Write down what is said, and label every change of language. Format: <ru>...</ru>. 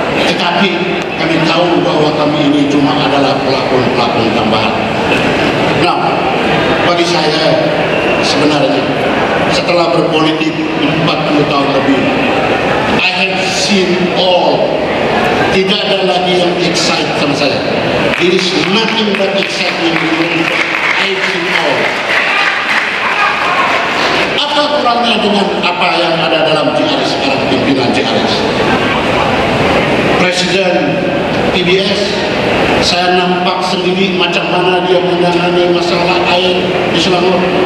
<ms>Tetapi kami tahu bahwa kami ini cuma adalah pelakon-pelakon tambahan. Nah, bagi saya sebenarnya setelah berpolitik 40 tahun lebih,</ms> <en>I have seen all.</en> <ms>Tidak ada lagi yang excited sama saya.</ms> <en>There is nothing but excitement in the room. I have seen all.</en> <ms>Apa kurangnya dengan apa yang ada dalam GRS sekarang, pimpinan GRS? Presiden PBS, saya nampak sendiri macam mana dia menangani masalah air di Selangor.</ms>